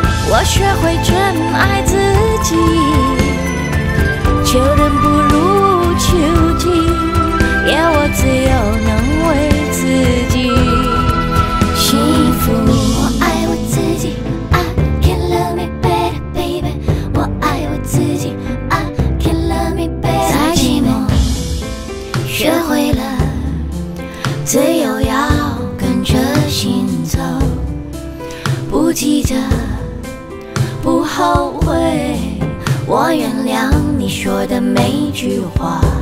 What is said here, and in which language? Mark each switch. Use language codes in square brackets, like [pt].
[zh] 我学会珍爱自己，求人不如求己，也我自由能为自己幸福。 [en] 我爱我自己， I can love me better baby， 我爱我自己， I can love me better。 [zh] 在寂寞学会了自由，要跟着心走，不记得不后悔，我原谅你说的每句话。